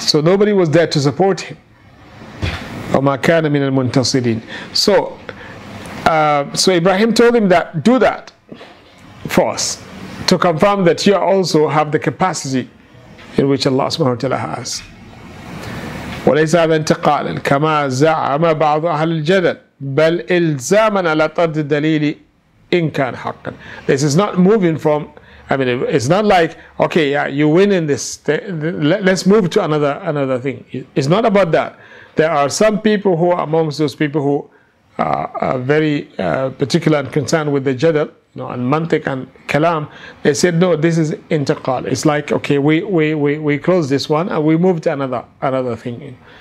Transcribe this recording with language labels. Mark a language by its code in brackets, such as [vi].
[en] So nobody was there to support him. [ar] وَمَا كَانَ مِنَ الْمُنْتَصِرِينَ. [en] So Ibrahim told him that, do that for us, to confirm that you also have the capacity in which Allah subhanahu wa ta'ala has. [ar] وَلَيْسَ هَذَا انْتِقَالًا كَمَا زَعَمَ بَعْضُ أَهْلِ الْجَدَلِ بَلْ إِلْزَامًا عَلَى طَرْدِ الدَّلِيلِ إِنْ كَانَ حَقًّا. [en] This is not moving from I mean, it's not like, okay, yeah, you win in this, let's move to another thing. It's not about that. There are some people who are amongst those people who are very particular and concerned with the jadal, you know, and mantiq and kalam. They said, no, this is intiqal. It's like, okay, we close this one and we move to another thing.